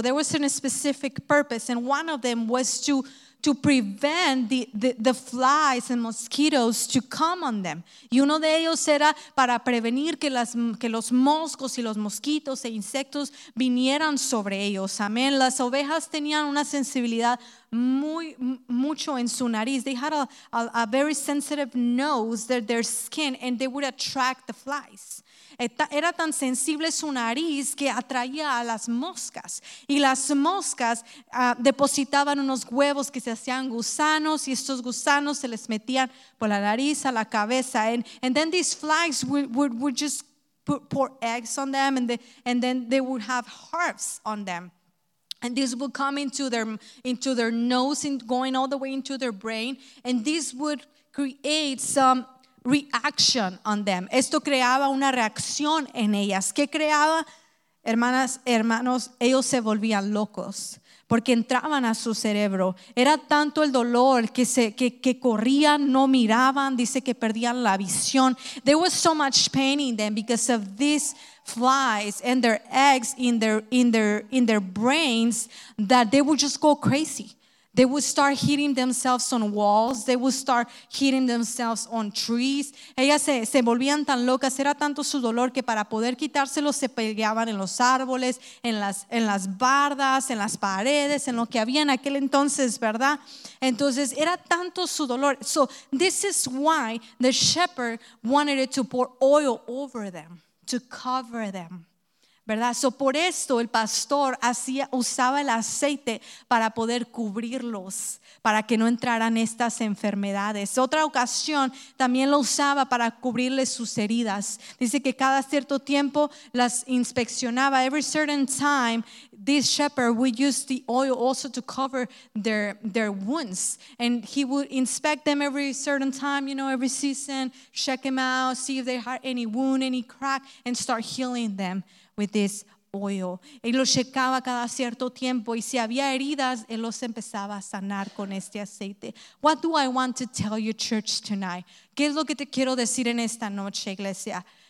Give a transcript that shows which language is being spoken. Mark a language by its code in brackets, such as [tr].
[en] There was a specific purpose, and one of them was to prevent the flies and mosquitoes to come on them. [es] Y uno de ellos era para prevenir que los moscos y los mosquitos e insectos vinieran sobre ellos. Amén. Las ovejas tenían una sensibilidad muy mucho en su nariz. [en] They had a very sensitive nose, their skin, and they would attract the flies. [es] Era tan sensible su nariz que atraía a las moscas, y las moscas depositaban unos huevos que se hacían gusanos, y estos gusanos se les metían por la nariz a la cabeza, [en] and then these flies would just pour eggs on them, and then they would have harps on them. And this would come into their nose and going all the way into their brain. And this would create some reaction on them. [es] Esto creaba una reacción en ellas. ¿Qué creaba? Hermanas, hermanos, ellos se volvían locos porque entraban a su cerebro. Era tanto el dolor que corrían, no miraban, dice que perdían la visión. [en] There was so much pain in them because of these flies and their eggs in their brains that they would just go crazy. They would start hitting themselves on walls. They would start hitting themselves on trees. [es] Ellas se volvían tan locas. Era tanto su dolor que para poder quitárselo se pegaban en los árboles, en las bardas, en las paredes, en lo que había en aquel entonces, ¿verdad? Entonces, era tanto su dolor. [en] So, this is why the shepherd wanted to pour oil over them, to cover them. [es] ¿Verdad? So por esto el pastor usaba el aceite para poder cubrirlos, para que no entraran estas enfermedades. Otra ocasión también lo usaba para cubrirles sus heridas. Dice que cada cierto tiempo las inspeccionaba. [en] Every certain time, this shepherd would use the oil also to cover their wounds. And he would inspect them every certain time, you know, every season, check them out, see if they had any wound, any crack, and start healing them with this oil. [es] Él lo checaba cada cierto tiempo y si había heridas, él los empezaba a sanar con este aceite. [en] What do I want to tell you, church, tonight? [es] ¿Qué es lo que te quiero decir en esta noche, iglesia?